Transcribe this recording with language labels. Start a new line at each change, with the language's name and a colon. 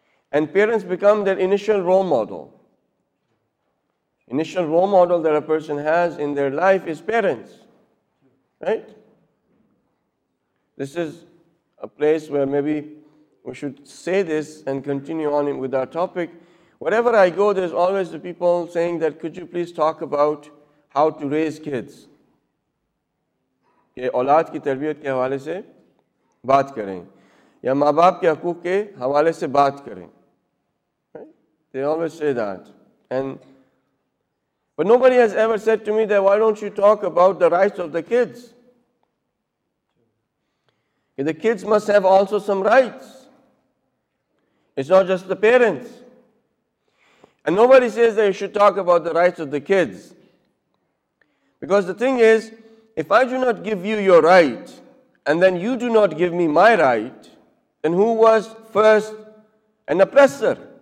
English: And parents become their initial role model. Initial role model that a person has in their life is parents. Right? This is a place where maybe we should say this and continue on with our topic. Wherever I go, there's always the people saying that, could you please talk about how to raise kids?
Urdu: کہ اولاد کی تربیت کے حوالے سے بات کریں یا ماں باپ کے حقوق کے حوالے سے بات کریں.
English: They always say that. But nobody has ever said to me that, why don't you talk about the rights of the kids? The kids must have also some rights. It's not just the parents. And nobody says that you should talk about the rights of the kids. Because the thing is, if I do not give you your right, and then you do not give me my right, then who was first an oppressor?